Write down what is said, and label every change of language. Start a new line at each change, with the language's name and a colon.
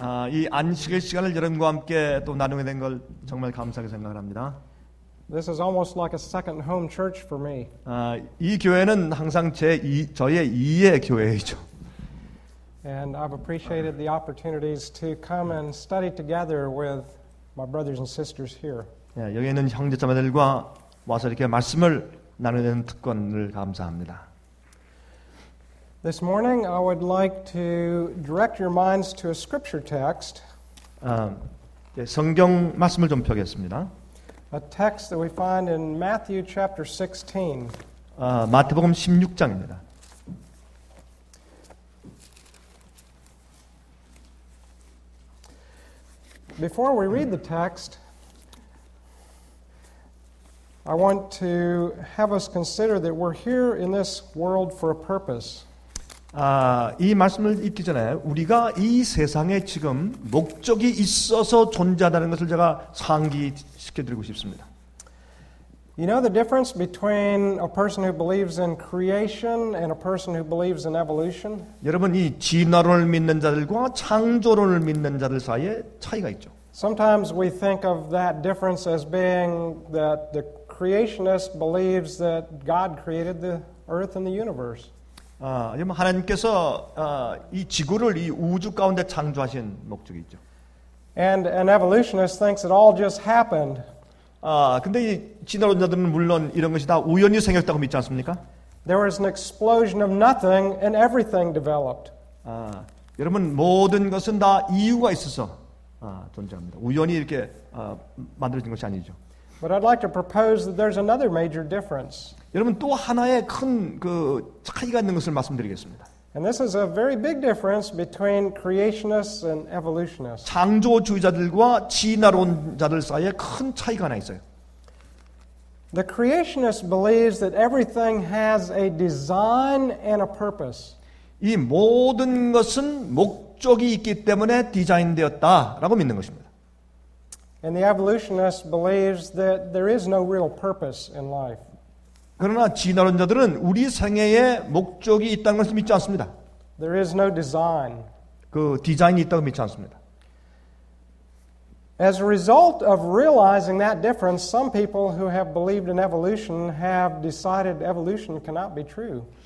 Korean: 이 안식의 시간을 여러분과 함께 또 나누게 된 걸 정말 감사하게 생각을 합니다.
English: This is almost like a second home church for me.
Korean: 이 교회는 항상 저의 2의 교회이죠.
English: And I've appreciated the opportunities to come and study together with my brothers and sisters here.
Korean: 예, 여기 있는 형제자매들과 와서 이렇게 말씀을 나누는 특권을 감사합니다.
English: This morning, I would like to direct your minds to a scripture text.
Korean: 예, 성경 말씀을 좀 펴겠습니다.
English: A text that we find in Matthew chapter 16.
Korean: 마태복음 16장입니다.
English: Before we read the text, I want to have us consider that we're here in this world for a purpose.
Korean: 이 말씀을 읽기 전에 우리가 이 세상에 지금 목적이 있어서 존재하다는 것을 제가 상기시켜드리고 싶습니다.
English: You know the difference between a person who believes in creation and a person who believes in evolution?
Korean: 여러분, 이 진화론을 믿는 자들과 창조론을 믿는 자들 사이에 차이가 있죠.
English: Sometimes we think of that difference as being that the creationist believes that God created the earth and the universe.
Korean: 하나님께서 이 지구를 이 우주 가운데 창조하신 목적이 있죠.
English: And an evolutionist thinks it all just happened.
Korean: 근데 이 진화론자들은 물론 이런 것이 다 우연히 생겼다고 믿지 않습니까?
English: There was an explosion of nothing and everything developed.
Korean: 여러분, 모든 것은 다 이유가 있어서 존재합니다. 우연히 이렇게 만들어진 것이 아니죠.
English: But I'd like to propose that there's another major difference.
Korean: 여러분, 또 하나의 큰 그 차이가 있는 것을 말씀드리겠습니다.
English: And this is a very big difference between creationists and evolutionists.
Korean: 창조주의자들과 진화론자들 사이에 큰 차이가 하나 있어요.
English: The creationist believes that everything has a design and a purpose.
Korean: 이 모든 것은 목적이 있기 때문에 디자인되었다라고 믿는 것입니다.
English: And the evolutionist believes that there is no real purpose in life.
Korean: 그러나 진화론자들은 우리 생애에 목적이 있다는 것을 믿지 않습니다.
English: There is no design.
Korean: 그 디자인이 있다고 믿지 않습니다.
English: As a result of realizing that difference, some people who have believed in evolution have decided evolution cannot be true.